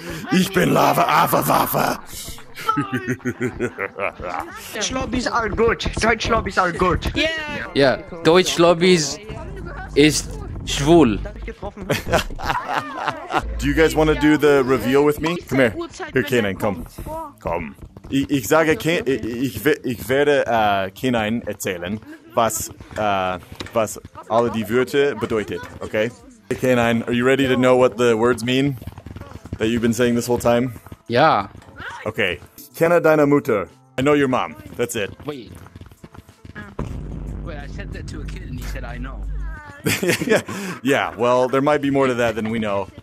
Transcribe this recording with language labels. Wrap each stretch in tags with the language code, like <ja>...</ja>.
<de>Ich bin Lava-Affel-Waffe!</de> <en>Deutsch-Lobbies are good. Deutsch-Lobbies are good. Yeah, yeah.</en> <de>Deutsch-Lobbies ist schwul.</de> <en>Do you guys want to do the reveal with me? Come here. Here, Kanine, come. Come.</en> <de>Ich sage, ich werde Kanine erzählen, was, was alle die Wörter bedeutet, okay?</de> <en>Hey, Kanine, are you ready to know what the words mean that you've been saying this whole time? Yeah. Okay.</en> <de>Kenne deine Mutter.</de> <en>I know your mom. That's it. Wait, I said that to a kid and he said, I know. Yeah, well, there might be more to that than we know.</en>